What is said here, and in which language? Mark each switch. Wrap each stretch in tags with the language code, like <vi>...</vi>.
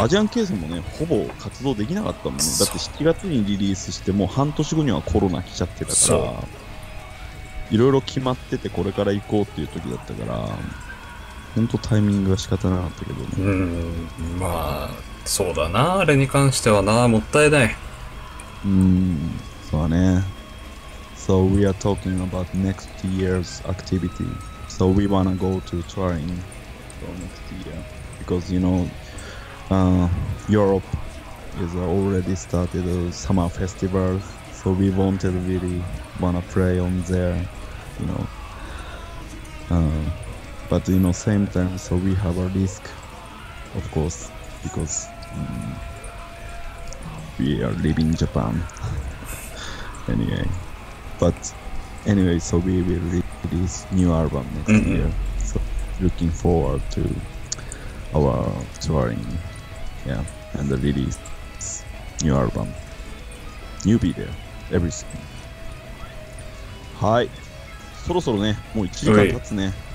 <ja>アジアンケースもねほぼ活動できなかったもん、ね、だって7月にリリースしてもう半年後にはコロナ来ちゃってたから、いろいろ決まっててこれから行こうっていう時だったから本当タイミングが仕方なかったけどね。うん、まあそうだな、あれに関してはな、もったいない。そうだね。</ja> <en>So we are talking about next year's activity. So we wanna go to touring for next year because you know, Europe is already started summer festivals. So we wanted really wanna play on there, you know. But you know, same time, so we have a risk, of course, because we are living in Japan. Anyway, but anyway, so we will release new album next year. So looking forward to our touring, yeah, and the release new album, new video, everything.</en> <ja>はい、そろそろね、もう1時間経つね。</ja>